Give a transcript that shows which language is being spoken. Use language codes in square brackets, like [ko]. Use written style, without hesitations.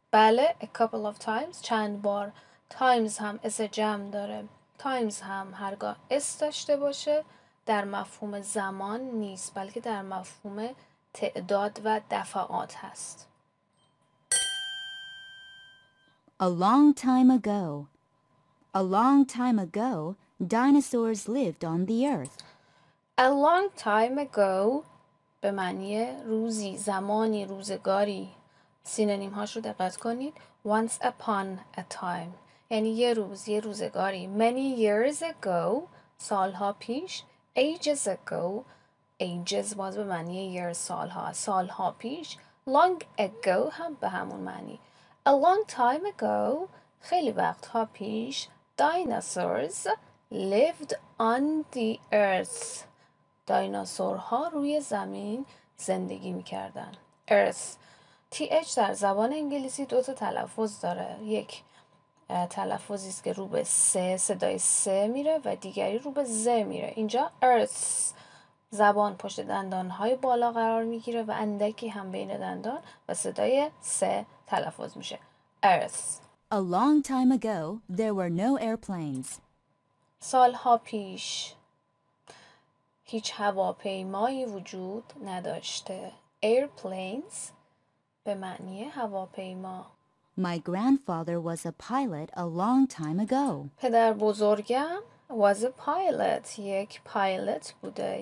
[fa] بله, [en] a couple of times. [fa] چند بار. Times هم اس جمع داره. Times هم هرگاه اس داشته باشه در مفهوم زمان نیست، بلکه در مفهوم تعداد و دفعات هست. [en] A long time ago. A long time ago, dinosaurs lived on the earth. A long time ago [fa] به معنی روزی، زمانی، روزگاری. سینونیم هاش رو دقت کنید. [en] Once upon a time [fa] یعنی یه روز، یه روزگاری. [en] Many years ago [fa] سالها پیش. [en] Ages ago ages [fa] باز به معنی year سالها، سالها پیش. [en] Long ago [fa] هم به همون معنی. [en] A long time ago [fa] خیلی وقتها پیش [en] dinosaurs lived on the earth. [fa] دایناسورها روی زمین زندگی میکردن. [en] Earth. [fa] TH در زبان انگلیسی دوتا تلفظ داره. یک تلفظیست که رو به سه، صدای سه میره و دیگری رو به ز میره. اینجا earth. زبان پشت دندان‌های بالا قرار می‌گیره و اندکی هم بین دندان و صدای سه تلفظ میشه. [en] Earth. A long time ago, there were no airplanes. [fa] سال‌ها پیش. هیچ هواپیمایی وجود نداشته. Airplanes به معنی هواپیما. [en] My grandfather was a pilot a long time ago. [fa] پدر بزرگم [en] was a pilot. [fa] یک پایلت بوده.